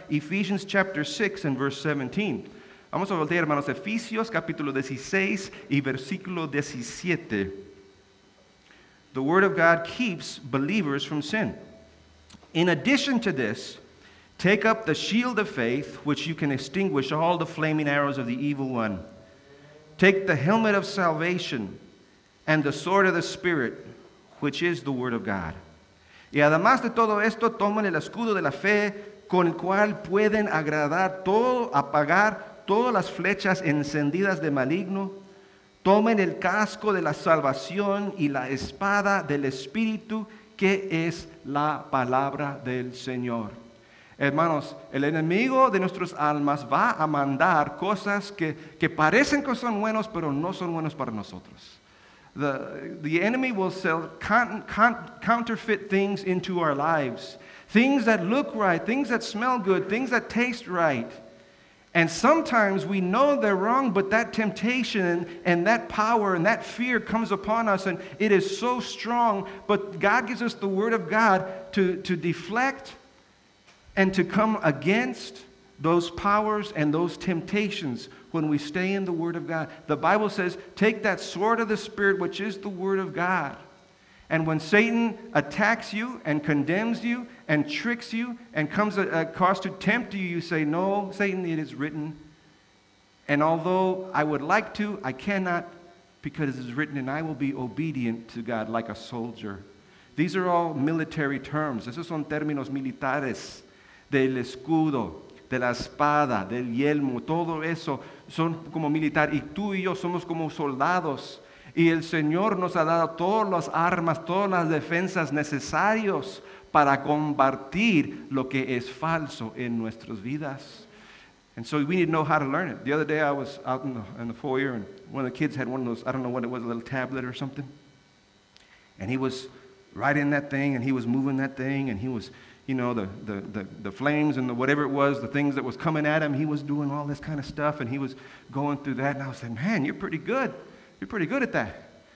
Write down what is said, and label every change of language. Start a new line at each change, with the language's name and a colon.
English: Ephesians chapter 6 and verse 17.
Spanish: Vamos a voltear, hermanos, Efesios capítulo 16 y versículo 17.
English: The Word of God keeps believers from sin. In addition to this, take up the shield of faith, which you can extinguish all the flaming arrows of the evil one. Take the helmet of salvation and the sword of the Spirit, which is the Word of God.
Spanish: Y además de todo esto, tomen el escudo de la fe, con el cual pueden agradar todo, apagar todas las flechas encendidas de maligno. Tomen el casco de la salvación y la espada del Espíritu, que es la palabra del Señor. Hermanos, el enemigo de nuestras almas va a mandar cosas que parecen que son buenos, pero no son buenos para nosotros.
English: The enemy will sell counterfeit things into our lives. Things that look right, things that smell good, things that taste right. And sometimes we know they're wrong, but that temptation and that power and that fear comes upon us, and it is so strong. But God gives us the Word of God to deflect and to come against those powers and those temptations when we stay in the Word of God. The Bible says, take that sword of the Spirit, which is the Word of God. And when Satan attacks you and condemns you and tricks you and comes across to tempt you, you say, no, Satan, it is written. And although I would like to, I cannot, because it is written, and I will be obedient to God like a soldier. These are all military terms.
Spanish: Esos son términos militares. Del escudo, de la espada, del yelmo, todo eso son como militar. Y tú y yo somos como soldados. Y el Señor nos ha dado todas las armas, todas las defensas necesarias para combatir lo que es falso en nuestras vidas.
English: And so we need to know how to learn it. The other day I was out in the foyer, and one of the kids had one of those, I don't know what it was, a little tablet or something. And he was writing that thing, and he was moving that thing, and he was, you know, the flames and the whatever it was, the things that was coming at him, he was doing all this kind of stuff, and he was going through that. And I was like, man, you're pretty good. You're pretty good at that.